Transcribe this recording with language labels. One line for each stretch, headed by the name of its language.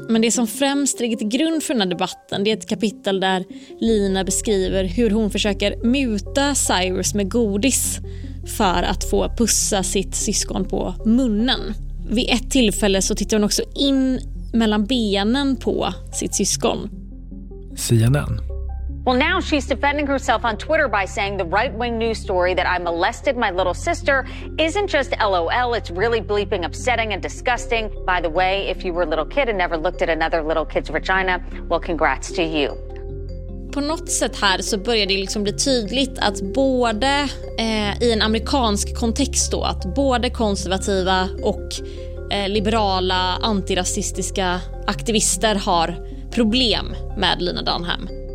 Swedish: Men det som främst ligger till grund för den här debatten, det är ett kapitel där Lina beskriver hur hon försöker muta Cyrus med godis för att få pussa sitt syskon på munnen. Vid ett tillfälle så tittar hon också in mellan benen på sitt syskon.
English: CNN. Well, now she's defending herself on Twitter by saying the right-wing news story that I molested my little sister isn't just LOL, it's really bleeping upsetting and disgusting. By the way, if you were a little kid and never looked at another little kid's vagina, well, congrats to you.
Swedish: På något sätt här så börjar det liksom bli tydligt att både i en amerikansk kontext då, att både konservativa och liberala antirasistiska aktivister har problem med Lena Dunham.